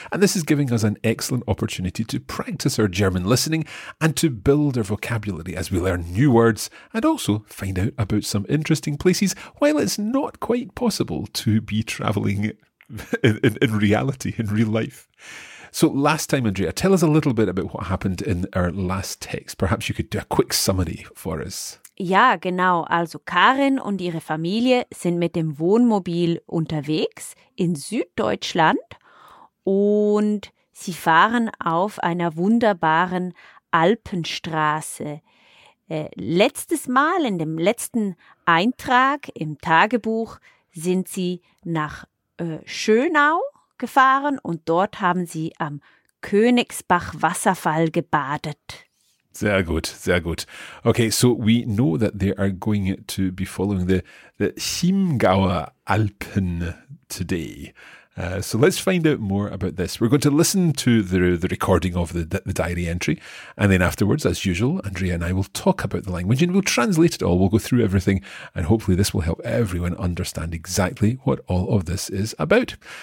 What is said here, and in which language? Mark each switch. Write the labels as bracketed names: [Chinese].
[English] And this is giving us an excellent opportunity to practice our German listening and to build our vocabulary as we learn new words and also find out about some interesting places while it's not quite possible to be traveling in reality, in real life. So last time, Andrea, tell us a little bit about what happened in our last text. Perhaps you could do a quick summary for us. [German] Ja, genau. Also Karin und ihre Familie sind mit dem Wohnmobil unterwegs in Süddeutschland und sie fahren auf einer wunderbaren Alpenstraße. Letztes Mal, in dem letzten Eintrag im Tagebuch, sind sie nach Schönau gefahren und dort haben sie am Königsbach-Wasserfall gebadet. Sehr gut, sehr gut. [English] Okay, so we know that they are going to be following the Chiemgauer Alpen today. So let's find out more about this. We're going to listen to the recording of the diary entry. And then afterwards, as usual, Andrea and I will talk about the language and we'll translate it all. We'll go through everything and hopefully this will help everyone understand exactly what all of this is about.